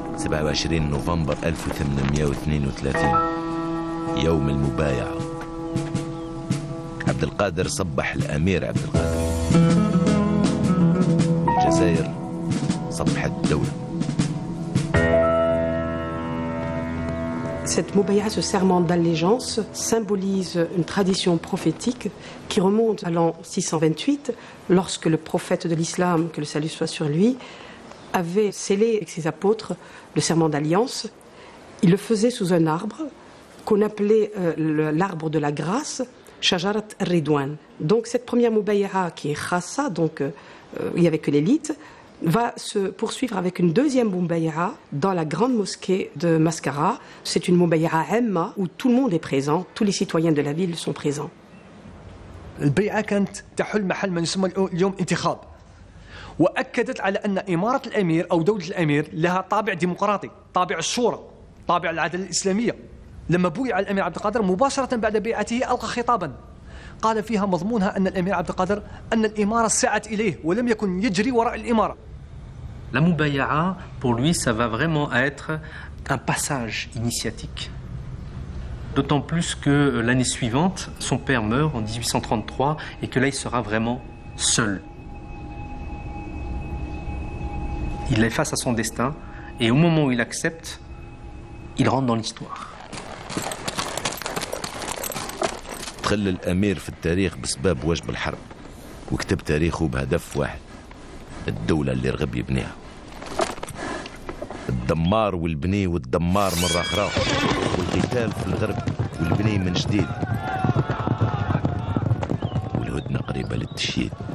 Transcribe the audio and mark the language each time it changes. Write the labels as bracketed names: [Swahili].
[French] Le 27 novembre 1832, [Arabic] يوم المبايعة عبد القادر صبح الأمير عبد القادر والجزائر صبحت الدولة [French] Cette mubaya, ce serment d'allégeance, symbolise une tradition prophétique qui remonte à l'an 628, lorsque le prophète de l'islam, que le salut soit sur lui, avait scellé avec ses apôtres le serment d'alliance. Il le faisait sous un arbre, qu'on appelait l'arbre de la grâce, Shajarat Ridwan. Donc cette première Mubayaha qui est Khassa, donc il n'y avait que l'élite, va se poursuivre avec une deuxième Mubayaha dans la grande mosquée de Mascara. C'est une Mubayaha Emma où tout le monde est présent, tous les citoyens de la ville sont présents. [Arabic] La Mubayaha وأكدت على أن إمارة الأمير أو دولة الأمير لها طابع ديمقراطي طابع الشورى طابع العدالة الإسلامية لما بويع الأمير عبد القادر مباشرة بعد بيعته ألقى خطابا قال فيها مضمونها أن الأمير عبد القادر أن الإمارة سعت إليه ولم يكن يجري وراء الإمارة [French] La Mubayaha, pour lui, ça va vraiment être un passage initiatique. D'autant plus que l'année suivante, son père meurt en 1833 et que là, il sera vraiment seul. Il est face à son destin et au moment où il accepte, il rentre dans l'histoire. [Arabic] دخل الأمير في التاريخ بسبب وجب الحرب وكتب تاريخه بهدف واحد، الدولة اللي رغب يبنيها. الدمار والبني والدمار مرة أخرى، والقتال في الغرب والبني من جديد، والهدنة قريبة للتشييد.